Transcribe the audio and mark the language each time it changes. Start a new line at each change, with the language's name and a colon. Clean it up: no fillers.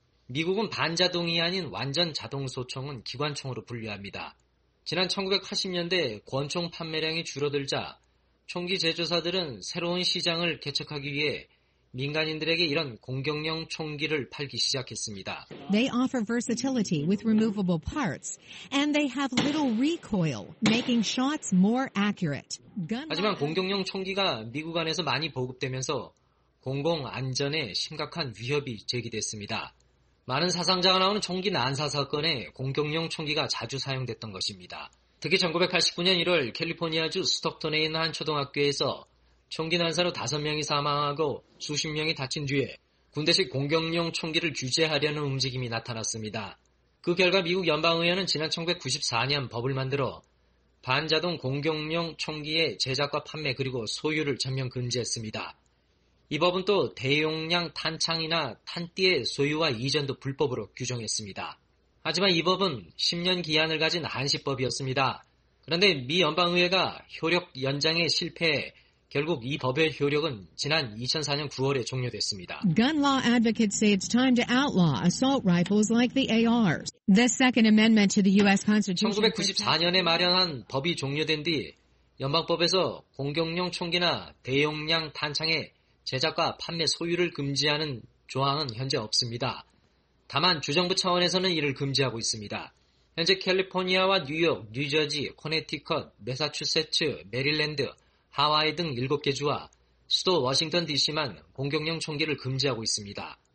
Korean: 미국은 반자동이 아닌 완전 자동 소총은 기관총으로 분류합니다. 지난 1980년대 권총 판매량이 줄어들자 총기 제조사들은 새로운 시장을 개척하기 위해 민간인들에게 이런 공격용 총기를 팔기 시작했습니다.
English: They offer versatility with removable parts and they have little recoil, making shots more accurate.
Korean: 하지만 공격용 총기가 미국 안에서 많이 보급되면서 공공 안전에 심각한 위협이 제기됐습니다. 많은 사상자가 나오는 총기 난사 사건에 공격용 총기가 자주 사용됐던 것입니다. 특히 1989년 1월 캘리포니아주 스톡턴에 있는 한 초등학교에서 총기 난사로 5명이 사망하고 수십 명이 다친 뒤에 군대식 공격용 총기를 규제하려는 움직임이 나타났습니다. 그 결과 미국 연방의회는 지난 1994년 법을 만들어 반자동 공격용 총기의 제작과 판매 그리고 소유를 전면 금지했습니다. 이 법은 또 대용량 탄창이나 탄띠의 소유와 이전도 불법으로 규정했습니다. 하지만 이 법은 10년 기한을 가진 한시법이었습니다. 그런데 미 연방의회가 효력 연장에 실패해 결국 이 법의 효력은 지난 2004년 9월에 종료됐습니다.
English: Gun law advocates say it's time to outlaw assault rifles like the ARs. The Second Amendment to the U.S. Constitution.
Korean: 1994년에 마련한 법이 종료된 뒤 연방법에서 공격용 총기나 대용량 탄창의 제작과 판매 소유를 금지하는 조항은 현재 없습니다. 다만 주정부 차원에서는 이를 금지하고 있습니다. 현재 캘리포니아와 뉴욕, 뉴저지, 코네티컷, 매사추세츠, 메릴랜드, 하와이 등 7개 주와 수도 워싱턴 DC만 공격용 총기를 금지하고 있습니다.